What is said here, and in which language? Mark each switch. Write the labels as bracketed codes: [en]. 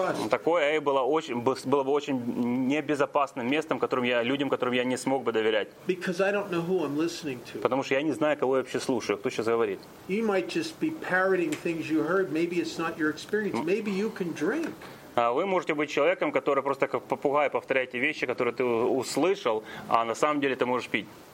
[ru] Такое АА было бы очень небезопасным местом, которым я не смог бы доверять. Потому что я не знаю, кого я вообще слушаю, кто сейчас говорит. [en] You might just be parroting things you heard. Maybe it's not your experience. Maybe you can drink. [ru] Вы можете быть человеком, который просто как попугай повторяет те вещи, которые ты услышал, а на самом деле ты можешь пить.